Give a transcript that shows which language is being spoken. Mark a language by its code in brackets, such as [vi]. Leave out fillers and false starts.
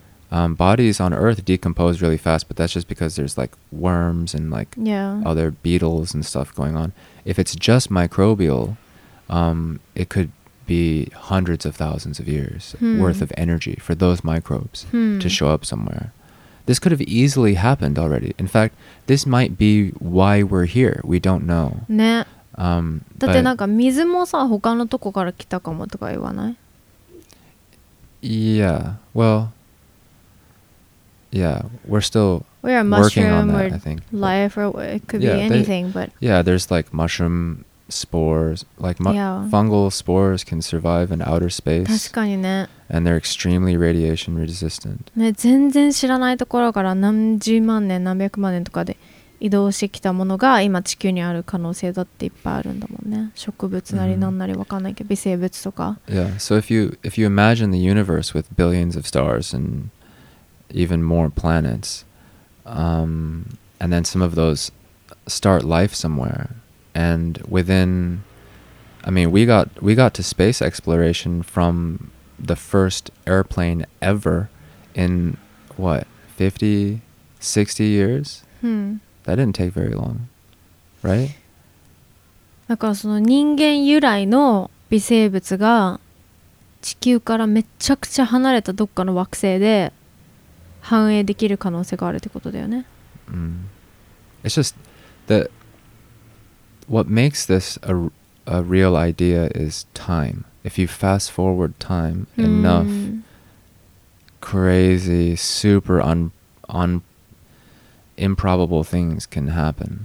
[en] Bodies on Earth decompose really fast, but that's just because there's like worms and like other beetles and stuff going on. If it's just microbial, it could be hundreds of thousands of years worth of energy for those microbes to show up somewhere. This could have easily happened already. In fact, this might be why we're here. We don't know. [ja] ね。だってなんか水もさ、他のとこから来たかもとか言わない？ [en] Yeah. Well, yeah, we're still working on that, I think. Life, or it could be anything, but... Yeah, there's like mushroom spores, like fungal spores can survive in outer space. [ja] 確かにね。 [en] And they're extremely radiation resistant. [ja] ね、全然知らないところから何十万年、何百万年とかで移動してきたものが今地球にある可能性だっていっぱいあるんだもんね。植物なりなんなりわかんないけど、微生物とか。 [en] Yeah, so if you imagine the universe with billions of stars and even more planets, and then some of those start life somewhere, and within, I mean, we got to space exploration from the first airplane ever in what, 50, 60 years? Hmm. That didn't take very long, right? [ja] だからその人間由来の微生物が地球からめちゃくちゃ離れたどっかの惑星で繁栄できる可能性があるってことだよね。 Mm. [en] It's just that what makes this a real idea is time. If you fast forward time enough, crazy, super improbable things can happen.